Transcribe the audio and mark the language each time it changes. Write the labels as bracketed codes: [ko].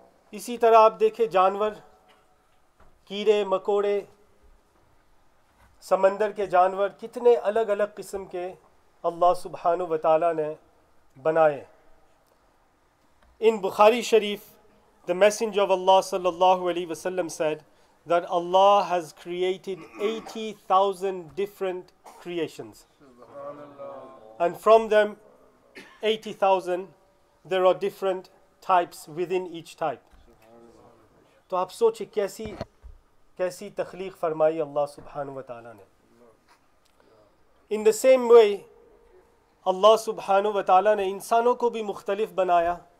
[ur] Isi tarah aap dekhe janwar, کیڑے مکوڑے، سمندر کے جانور، کتنے الگ الگ قسم کے اللہ سبحانہ وتعالی نے بنائے. [en] In Bukhari Sharif, the Messenger of Allah sallallahu alaihi wasallam said that Allah has created 80,000 different creations. And from them 80,000, there are different types within each type. [ur] تو آپ سوچیں کیسی تخلیق فرمائی اللہ سبحانہ وتعالی نے. [en] In the same way, [ur] اللہ سبحانہ وتعالی نے انسانوں کو بھی مختلف بنایا.